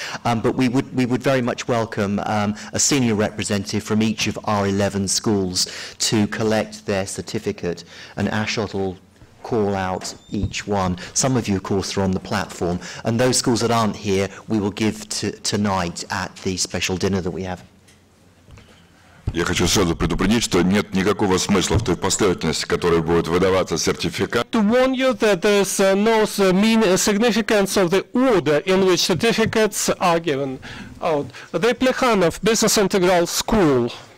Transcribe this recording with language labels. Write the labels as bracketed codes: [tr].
[en] But we would very much welcome a senior representative from each of our 11 schools to collect their certificate, and Ashot will call out each one. Some of you, of course, are on the platform. And those schools that aren't here, we will give tonight at the special dinner that we have. [ru] Я хочу сразу предупредить, что нет никакого смысла в той последовательности, которая будет выдаваться сертификат. [en] To warn you that there is no significance of the order in which certificates are given out. The Plekhanov Business Integral School.